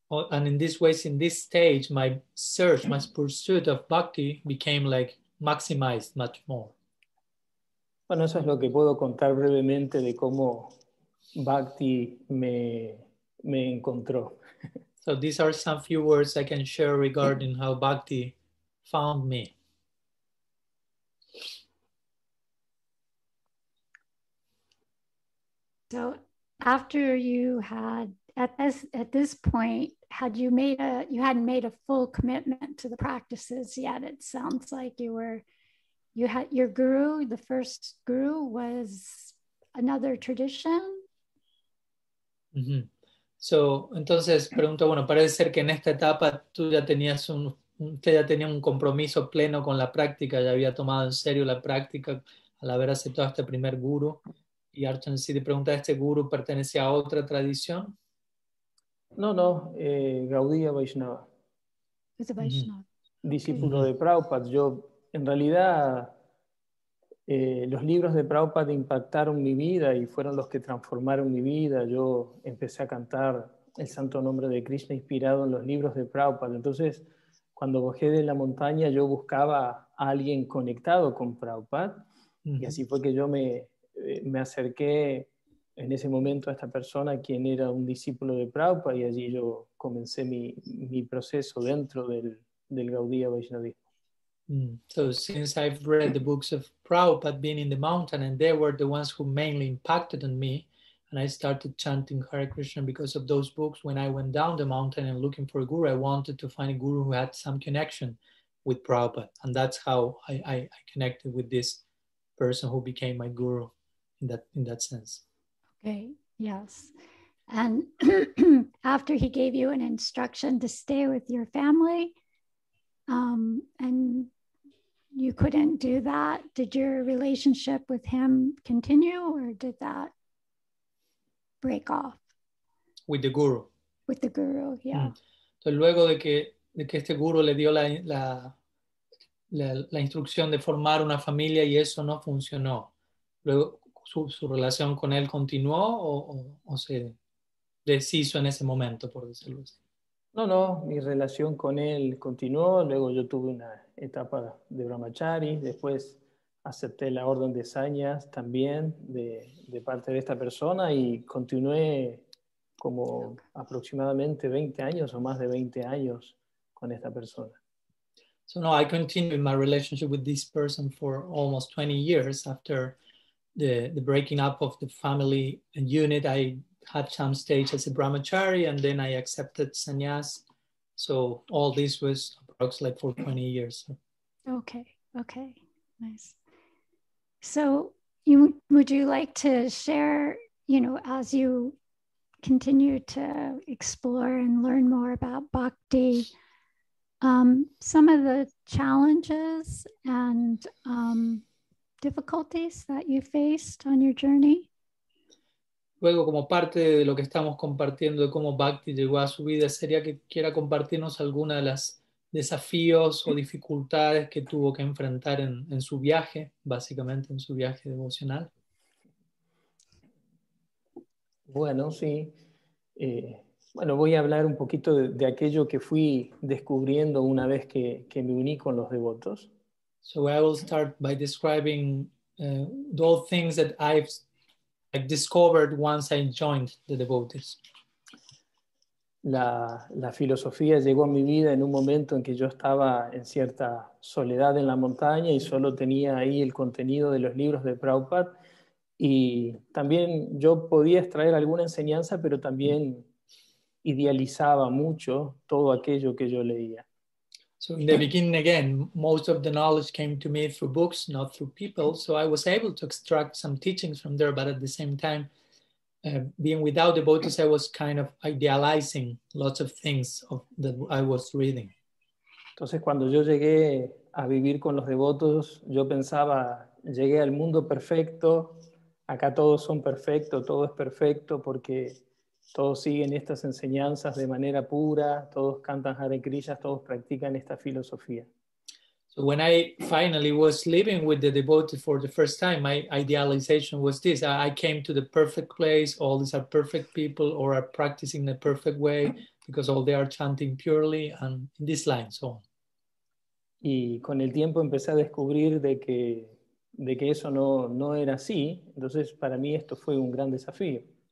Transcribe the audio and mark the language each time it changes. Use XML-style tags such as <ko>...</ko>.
<en>And in this way, in this stage, my search, my pursuit of bhakti became like maximized much more.</en> <es>Bueno, eso es lo que puedo contar brevemente de cómo bhakti me encontró.</es> <en>So these are some few words I can share regarding how bhakti found me. So after you had, at this point, you hadn't made a full commitment to the practices yet. It sounds like you had your guru, the first guru was another tradition. Mm-hmm.</en> <es>So, entonces pregunto, bueno, parece ser que en esta etapa tú ya tenías un compromiso pleno con la práctica, ya había tomado en serio la práctica al haber aceptado a este primer guru. Y Archan Siddhi pregunta, ¿este guru pertenece a otra tradición? No, Gaudiya Vaishnava. Es a Vaishnava. Discípulo de Prabhupada. Yo, en realidad, los libros de Prabhupada impactaron mi vida y fueron los que transformaron mi vida. Yo empecé a cantar el santo nombre de Krishna inspirado en los libros de Prabhupada. Entonces, cuando bajé de la montaña, yo buscaba a alguien conectado con Prabhupada. Uh-huh. Y así fue que yo me acerqué en ese momento a esta persona, quien era un discípulo de Prabhupada, y allí yo comencé mi proceso dentro del Gaudiya Vaishnavismo. Mm.</es> <en>So since I've read the books of Prabhupada being in the mountain, and they were the ones who mainly impacted on me, and I started chanting Hare Krishna because of those books, when I went down the mountain and looking for a guru, I wanted to find a guru who had some connection with Prabhupada. And that's how I connected with this person who became my guru in that sense. Okay, yes. And after he gave you an instruction to stay with your family, and you couldn't do that, did your relationship with him continue, or did that break off? With the guru. With the guru, yeah. Mm.</en> <es>Entonces, luego de que este guru le dio la instrucción de formar una familia y eso no funcionó, luego su relación con él continuó o se deshizo en ese momento, por decirlo así. No, mi relación con él continuó, luego yo tuve una etapa de brahmachari, después acepté la orden de sannyas también de parte de esta persona y continué como aproximadamente 20 años o más de 20 años con esta persona.</es> <en>So no, I continued my relationship with this person for almost 20 years after the breaking up of the family and unit. I had some stage as a brahmachari and then I accepted sannyas. So all this was approximately for 20 years. Okay, nice. So you would you like to share, you know, as you continue to explore and learn more about bhakti, some of the challenges and difficulties that you faced on your journey?</en> <es>Luego, como parte de lo que estamos compartiendo de cómo bhakti llegó a su vida, sería que quiera compartirnos alguna de las desafíos o dificultades que tuvo que enfrentar en su viaje, básicamente en su viaje devocional. Bueno, sí. Bueno, voy a hablar un poquito de aquello que fui descubriendo una vez que me uní con los devotos.</es> <en>So I will start by describing those things that I've discovered once I joined the devotees.</en> <es>La filosofía llegó a mi vida en un momento en que yo estaba en cierta soledad en la montaña y solo tenía ahí el contenido de los libros de Prabhupada Y también yo podía extraer alguna enseñanza, pero también idealizaba mucho todo aquello que yo leía.</es> <en>So in the beginning, again, most of the knowledge came to me through books, not through people. So I was able to extract some teachings from there, but at the same time, being without devotees, I was kind of idealizing lots of things of that I was reading.</en> <es>Entonces, cuando yo llegué a vivir con los devotos, yo pensaba, llegué al mundo perfecto, acá todos son perfectos, todo es perfecto porque todos siguen estas enseñanzas de manera pura, todos cantan Hare Krishna, todos practican esta filosofía.</es> <en>So when I finally was living with the devotee for the first time, my idealization was this. I came to the perfect place, all these are perfect people or are practicing the perfect way because all they are chanting purely and in this line, so on.</en> <es>Y con el tiempo empecé a descubrir de que eso no era así. Entonces, para mí esto fue un gran desafío.</es>